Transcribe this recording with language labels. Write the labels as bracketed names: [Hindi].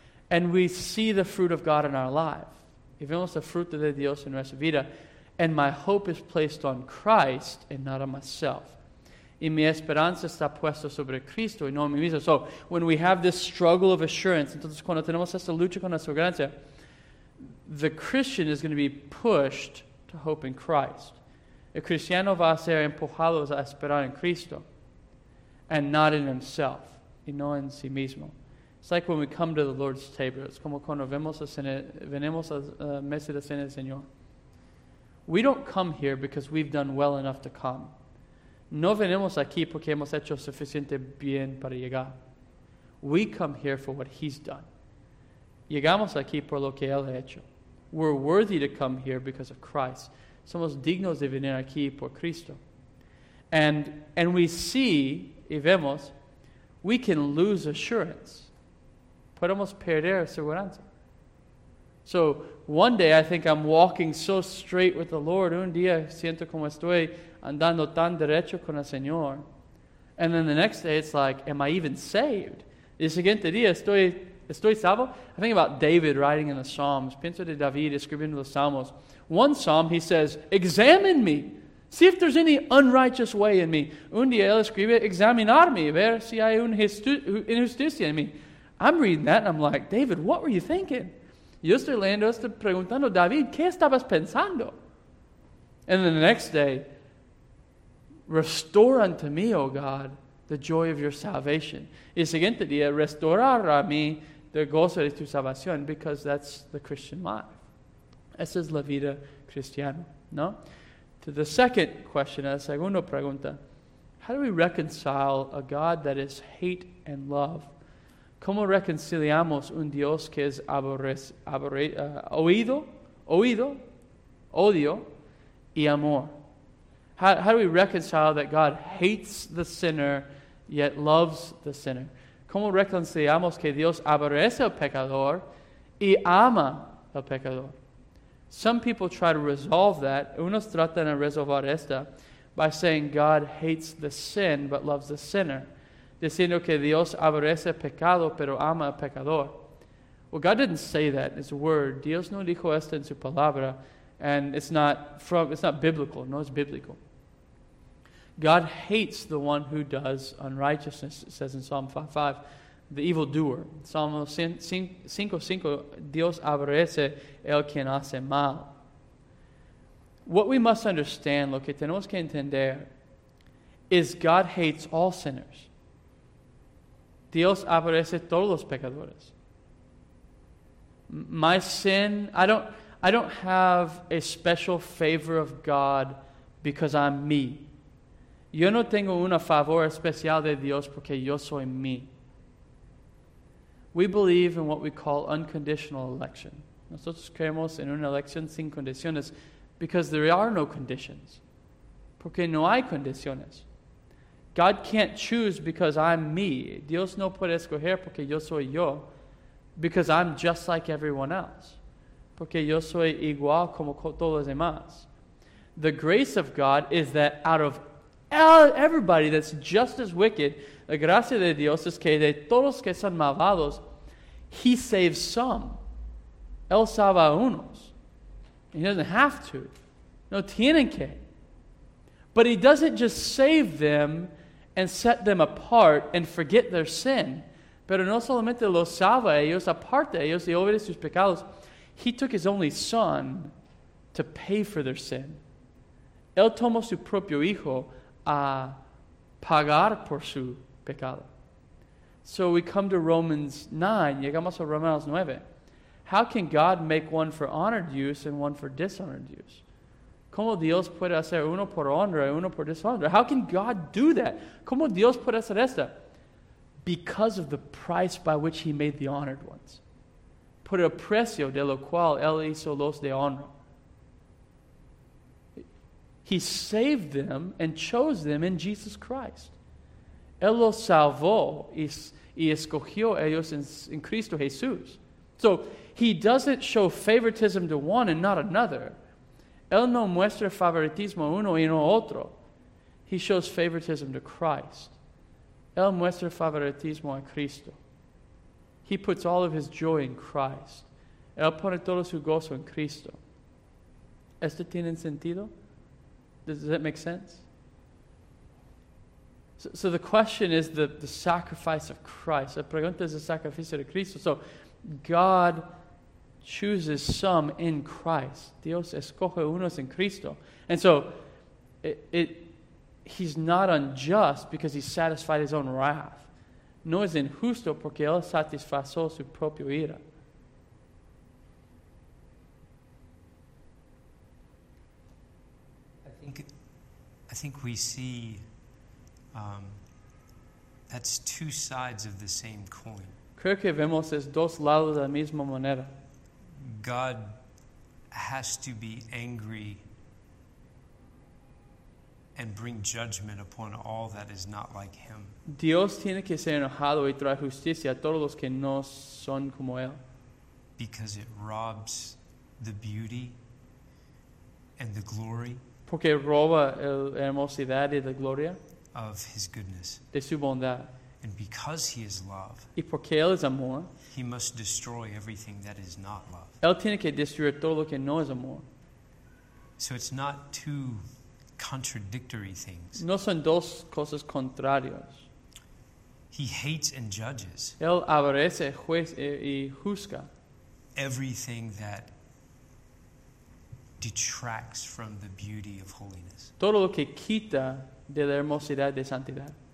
[English] And we see the fruit of God in our life. [Spanish] Y vemos el fruto de Dios en nuestra vida. [English] And my hope is placed on Christ and not on myself. [Spanish] Y mi esperanza está puesta sobre Cristo y no en mí mismo. [English] So, when we have this struggle of assurance, [Spanish] entonces cuando tenemos esta lucha con nuestra esperanza, [English] the Christian is going to be pushed to hope in Christ. [Spanish] El cristiano va a ser empujado a esperar en Cristo [English] and not in himself [Spanish] y no en sí mismo. [English] It's like when we come to the Lord's table. It's [Spanish] como cuando venimos a la mesa de cena del Señor. [English] We don't come here because we've done well enough to come. [Spanish] No venimos aquí porque hemos hecho suficiente bien para llegar. [English] We come here for what he's done. [Spanish] Llegamos aquí por lo que él ha hecho. [English] We're worthy to come here because of Christ. [Spanish] Somos dignos de venir aquí por Cristo. [English] And we see, [Spanish] y vemos, [English] we can lose assurance. [Spanish] Podemos perder seguridad. [English] So, one day I think I'm walking so straight with the Lord. [Spanish] Un día siento como estoy andando tan derecho con el Señor. [English] And then the next day it's like, am I even saved? [Spanish] El siguiente día estoy salvo? [English] I think about David writing in the Psalms. [Spanish] Pienso de David escribiendo los Salmos. [English] One Psalm he says, examine me. See if there's any unrighteous way in me. [Spanish] Un día él escribe, examinarme. Ver si hay una injusticia en mí. [English] I'm reading that and I'm like, David, what were you thinking? [Spanish] Yo estoy leyendo esto preguntando, David, ¿qué estabas pensando? [English] And then the next day, restore unto me, oh God, the joy of your salvation. [Spanish] Y el siguiente día, restaurar a mí el gozo de tu salvación, [English] because that's the Christian life. [Spanish] Esa es la vida cristiana, ¿no? [English] To the second question, [Spanish] a la segunda pregunta, [English] how do we reconcile a God that is hate and love? [Spanish] ¿Cómo reconciliamos un Dios que es oído, odio y amor? [English] How do we reconcile that God hates the sinner yet loves the sinner? [Spanish] ¿Cómo reconciliamos que Dios aborrece al pecador y ama al pecador? [English] Some people try to resolve that. [Spanish] Unos tratan de resolver esta [English] by saying God hates the sin but loves the sinner. [Spanish] Diciendo que Dios aborrece el pecado, pero ama al pecador. [English] Well, God didn't say that in his word. [Spanish] Dios no dijo esto en su palabra. [English] And it's not biblical. No, it's biblical. God hates the one who does unrighteousness, it says in Psalm 5:5, the evildoer. [Spanish] Psalm 5:5, Dios aborrece el quien hace mal. [English] What we must understand, [Spanish] lo que tenemos que entender, [English] is God hates all sinners. [Spanish] Dios aborrece todos los pecadores. [English] My sin, I don't have a special favor of God because I'm me. [Spanish] Yo no tengo una favor especial de Dios porque yo soy me. [English] We believe in what we call unconditional election. [Spanish] Nosotros creemos en una elección sin condiciones [English] because there are no conditions. [Spanish] Porque no hay condiciones. [English] God can't choose because I'm me. [Spanish] Dios no puede escoger porque yo soy yo. [English] Because I'm just like everyone else. [Spanish] Porque yo soy igual como todos los demás. [English] The grace of God is that out of everybody that's just as wicked, [Spanish] la gracia de Dios es que de todos que son malvados, [English] he saves some. [Spanish] Él salva a unos. [English] He doesn't have to. [Spanish] No tienen que. [English] But he doesn't just save them and set them apart and forget their sin. [Spanish] Pero no solamente los salva a ellos, aparte a ellos y olvida sus pecados. [English] He took his only son to pay for their sin. [Spanish] Él tomó su propio hijo a pagar por su pecado. [English] So we come to Romans 9. [Spanish] Llegamos a Romanos 9. [English] How can God make one for honored use and one for dishonored use? [Spanish] ¿Cómo Dios puede hacer uno por honra y uno por deshonra? [English] How can God do that? [Spanish] ¿Cómo Dios puede hacer esto? [English] Because of the price by which he made the honored ones. [Spanish] Por el precio de lo cual él hizo los de honra. [English] He saved them and chose them in Jesus Christ. Él los salvó y escogió ellos en Cristo Jesús. So he doesn't show favoritism to one and not another. [Spanish] Él no muestra favoritismo uno y no otro. [English] He shows favoritism to Christ. [Spanish] Él muestra favoritismo a Cristo. [English] He puts all of his joy in Christ. [Spanish] Él pone todo su gozo en Cristo. ¿Esto tiene sentido? [English] Does that make sense? So the question is the sacrifice of Christ. [Spanish] La pregunta es el sacrificio de Cristo. [English] So God chooses some in Christ. [Spanish] Dios escoge unos en Cristo. [English] And so he's not unjust because he satisfied his own wrath. [Spanish] No es injusto porque él satisfizo su propia ira. [English] I think we see that's two sides of the same coin. [Spanish] Creo que vemos es dos lados de la misma moneda. [English] God has to be angry and bring judgment upon all that is not like him. [Spanish] Dios tiene que ser enojado y traer justicia a todos los que no son como él. [English] Because it robs the beauty and the glory. [Spanish] Porque roba la hermosidad y la gloria [English] of his goodness. [Spanish] De su bondad. [English] And because he is love, [Spanish] y porque él es amor, [English] he must destroy everything that is not love. [Spanish] Él tiene que destruir todo lo que no es amor. [English] So it's not two contradictory things. [Spanish] No son dos cosas contrarias. [English] He hates and judges. [Spanish] Él aborrece, juzga y juzga [English] everything that detracts from the beauty of holiness. [Spanish] Todo lo que quita de la hermosidad de santidad.